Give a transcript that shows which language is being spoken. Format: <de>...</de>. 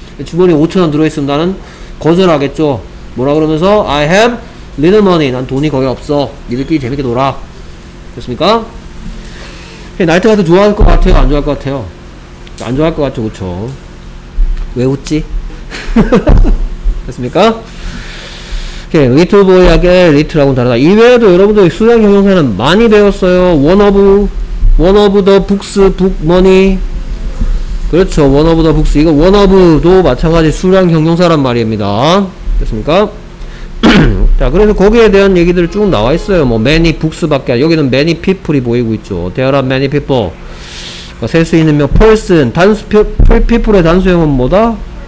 <ko>주머니에 5,000원 들어있으면 나는 거절하겠죠. 뭐라 그러면서</ko> <en>I have little money,</en> <ko>난 돈이 거의 없어, 니들끼리 재밌게 놀아. 됐습니까? 나이트 가서 좋아할 것 같아요? 안 좋아할 것 같아요? 안 좋아할 것 같죠. 그쵸? 왜 웃지? 됐습니까? 오케이, little boy에게 little하고는 다르다. 이외에도 여러분들 수량 형용사는 많이 배웠어요.</ko> <en>one of the books, book money.</en> <ko>그렇죠. one of the books. 이거 one of도 마찬가지 수량 형용사란 말입니다. 됐습니까? 자, 그래서 거기에 대한 얘기들 쭉 나와 있어요. 뭐 many books 밖에, 여기는 many people이 보이고 있죠.</ko> <en>There are many people.</en> <ko>그러니까 셀 수 있는 몇 person. 단수, people의 단수형은 뭐다?</ko>